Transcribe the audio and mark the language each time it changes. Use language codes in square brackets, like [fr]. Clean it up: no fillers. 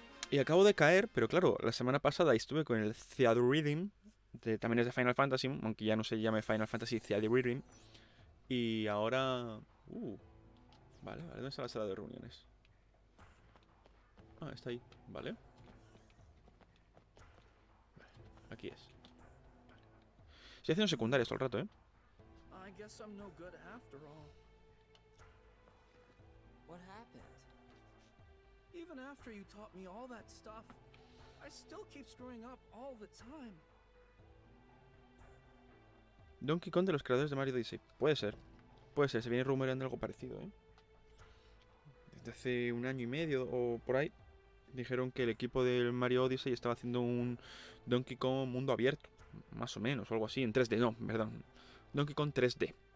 [es] Y acabo de caer, pero claro, la semana pasada estuve con el Theodrhythm, también es de Final Fantasy, aunque ya no se llame Final Fantasy Theodrhythm. Y ahora. Vale, ¿dónde está la sala de reuniones? Ah, está ahí. Vale. Aquí es. Vale. Estoy haciendo secundarias todo el rato, ¿eh? [en] I guess I'm no good after all. What happened? Even after you taught me all that stuff, I still keep screwing up all the time. [es] Donkey Kong de los creadores de Mario Odyssey. Puede ser, se viene rumoreando algo parecido, ¿eh? Desde hace un año y medio o por ahí, dijeron que el equipo del Mario Odyssey estaba haciendo un Donkey Kong mundo abierto, más o menos, o algo así, en 3D, no, perdón. Donkey Kong 3D.